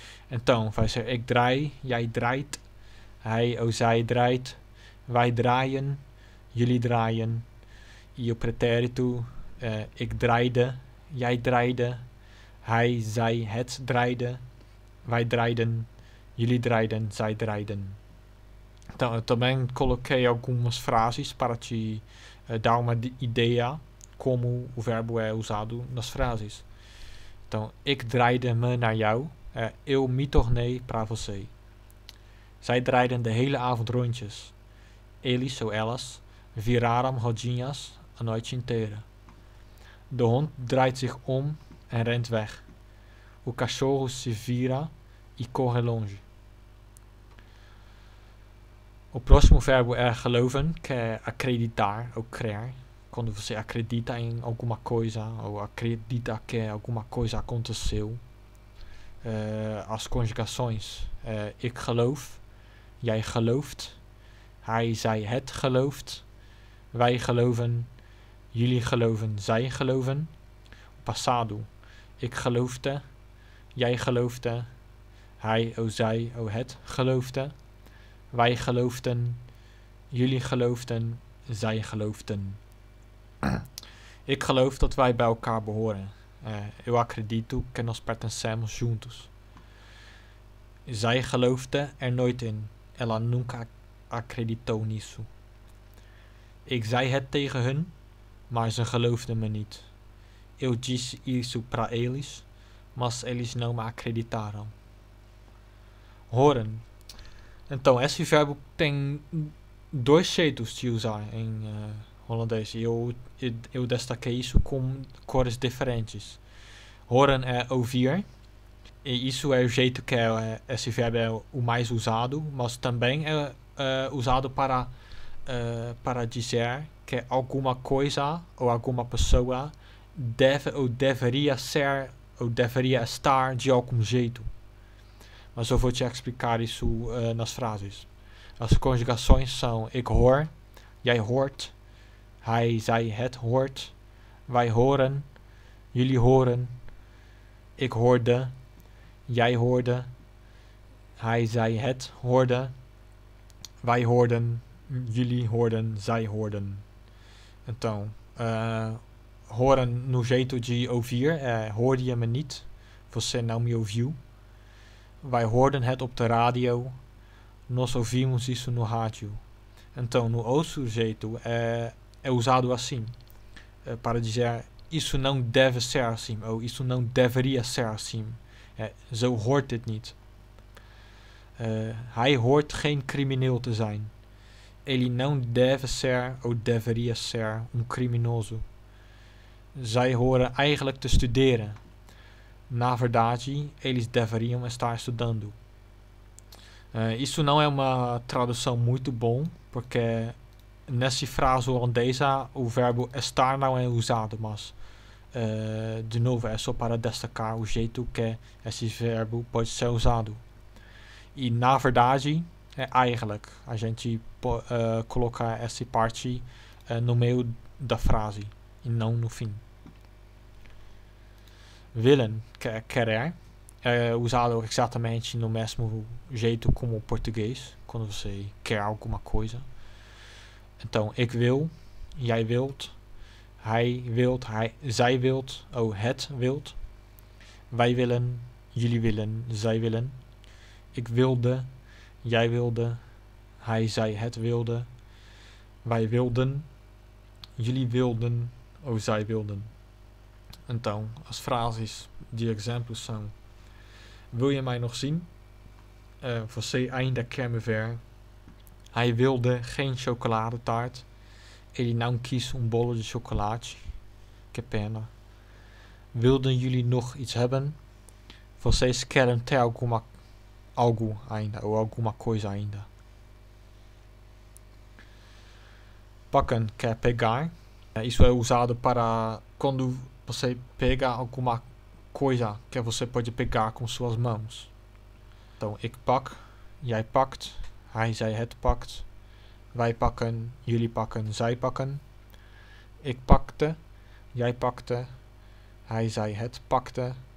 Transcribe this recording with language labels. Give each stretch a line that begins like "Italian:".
Portuguese: Então, vai ser
Dutch: ik draai, jij draait, hij ou zij draait, wij draaien, jullie draaien,
Portuguese: e o pretérito,
Dutch: ik draaide, jij draaide, hij, zij, het draaide, wij draaiden, jullie draaiden, zij draaiden.
Portuguese: Então, eu também coloquei algumas frases para te dar uma ideia como o verbo é usado nas frases. Então,
Dutch: ik draaide me naar jou,
Portuguese: eu me tornei para você.
Dutch: Zij draaiden de hele avond rondjes.
Portuguese: Eles ou elas viraram rodinhas a noite inteira.
Dutch: De hond draait zich om en rent weg.
Portuguese: O cachorro se vira e corre longe. O próximo verbo é geloven, que é acreditar ou crer. Quando você acredita em alguma coisa ou acredita que alguma coisa aconteceu. As conjugações.
Dutch: Ik geloof. Jij gelooft. Hij, zij, het gelooft. Wij geloven. Jullie geloven, zij geloven.
Portuguese: Passado.
Dutch: Ik geloofde. Jij geloofde. Hij, o zij, o het geloofde. Wij geloofden. Jullie geloofden. Zij geloofden. Ik geloof dat wij bij elkaar behoren.
Portuguese: Eu acredito que nós pertencemos juntos.
Dutch: Zij geloofde er nooit in.
Portuguese: Ela nunca acreditou nisso.
Dutch: Ik zei het tegen hun, maar ze geloofden me niet.
Portuguese: Eu disse isso para eles, mas eles não me acreditaram. Horen. Então, esse verbo tem dois jeitos de usar em holandês. Eu destaquei isso com cores diferentes. Horen é ouvir. E isso é o jeito que esse verbo é o mais usado, mas também é usado para dizer que alguma coisa ou alguma pessoa deve ou deveria ser ou deveria estar de algum jeito. Mas eu vou te explicar isso nas frases. As conjugações são
Dutch: ik hoor, jij hoort, hij, zij, het hoort, wij horen, jullie horen, ik hoorde, jij hoorde, hij, zij, het hoorde, wij hoorden, jullie hoorden, zij hoorden.
Portuguese: Então, horen no jeito de ouvir é
Dutch: hoorde je me niet,
Portuguese: você não me ouviu.
Dutch: Wij hoorden het op de radio,
Portuguese: nós ouvimos isso no rádio. Então, no outro jeito é usado assim, para dizer isso não deve ser assim, ou isso não deveria ser assim.
Dutch: Zo hoort dit niet. Hij hoort geen crimineel te zijn.
Portuguese: Ele não deve ser ou deveria ser criminoso. Zij horen eigenlijk te studeren. Na verdade, eles deveriam estar estudando. Isso não é uma tradução muito bom, porque nessa frase holandesa o verbo estar não é usado, mas... de novo, é só para destacar o jeito que esse verbo pode ser usado. E na verdade, é eigenlijk. A gente coloca essa parte no meio da frase e não no fim. Willen, que é querer, é usado exatamente no mesmo jeito como o português, quando você quer alguma coisa.
Dutch: Então, ik wil, jij wilt. Hij wilt, zij wilt, ou het wilt. Wij willen, jullie willen, zij willen. Ik wilde, jij wilde, hij, zij, het wilde. Wij wilden, jullie wilden, ou zij wilden.
Portuguese: Então, as frases, die exemplos são:
Dutch: wil je mij nog zien?
Portuguese: Você ainda quer me ver?
Dutch: Hij wilde geen chocoladetaart.
Portuguese: Ele não quis bolo de chocolate. Que pena.
Dutch: Wilden jullie nog iets hebben?
Portuguese: Vocês querem ter algo ainda, ou alguma coisa ainda. Pakken, que é pegar. Isso é usado para quando Você pega alguma coisa que você pode pegar com suas mãos.
Dutch: Então, ik pak, jij pakt, hij, zij, het pakt. Wij pakken, jullie pakken, zij pakken. Ik pakte, jij pakte, hij, zij, het pakte.